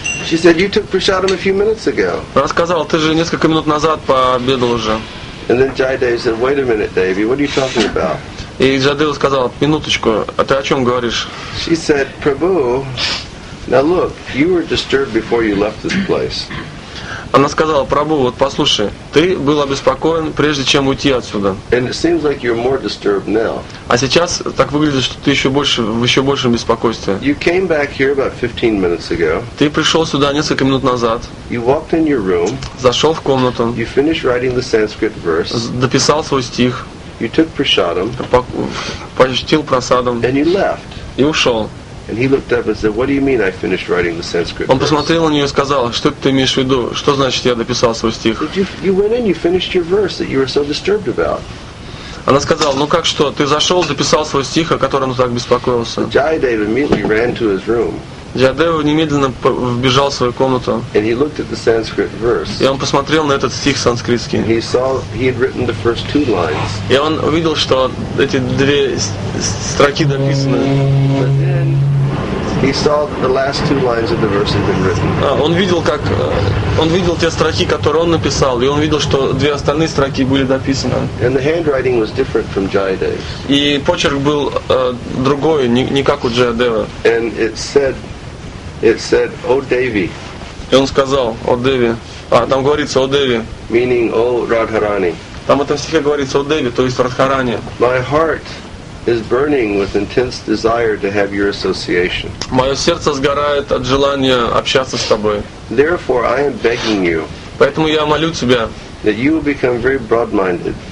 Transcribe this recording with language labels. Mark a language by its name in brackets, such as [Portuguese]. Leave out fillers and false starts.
[English] She said, "You took prasadam a few minutes ago." [Russian] Она сказала, ты же несколько минут назад пообедал уже. [English] And then Jayadev said, "Wait a minute, Devi. What are you talking about?" [Russian] И Джайдев сказал, минуточку, а ты о чем говоришь? [English] She said, "Prabhu, now look, you were disturbed before you left this place." [Russian] Она сказала, Прабху, вот послушай, ты был обеспокоен, прежде чем уйти отсюда. [English] And it seems like you're more disturbed now. [Russian] А сейчас так выглядит, что ты в еще большем беспокойстве. [English] You came back here about 15 minutes ago. [Russian] Ты пришел сюда несколько минут назад. [English] You walked in your room. [Russian] Зашел в комнату. [English] You finished writing the Sanskrit verse. [Russian] Дописал свой стих. [English] You took prasadam. [Russian] Почтил прасадом. [English] And you left. [Russian] И ушел. [English] And he looked up and said, "What do you mean I finished writing the Sanskrit?" [Russian] Он посмотрел на нее и сказал, что ты имеешь в виду? Что значит я дописал свой стих? [English] You went in, you finished your verse that you were so disturbed about. [Russian] Она сказала, ну как что? Ты зашел, дописал свой стих, о котором так беспокоился. [English] Jayadev immediately ran to his room. [Russian] Jayadev немедленно вбежал в свою комнату. [English] And he looked at the Sanskrit verse. [Russian] И он посмотрел на этот стих санскритский. [English] And he saw he had written the first two lines. [Russian] И он увидел, что эти две строки дописаны. [English] He saw the last two lines of the verse had been written. [Russian] Он видел те строки, которые он написал, и он видел, что две остальные строки были дописаны. [English] And the handwriting was different from Jayadev's. [Russian] И почерк был другой, не как у Джайдева. [English] And it said, "O Devi." [Russian] И он сказал, "О Деви." А там говорится, "О Деви." [English] Meaning, "O Radharani." [Russian] Там в этом стихе говорится, "О Деви," то есть Радхарани. [English] My heart is burning with intense desire to have your association. [Russian] Моё сердце сгорает от желания общаться с тобой. [English] Therefore, I am begging you. [Russian] Поэтому я молю тебя. [English] That you will become very broad-minded.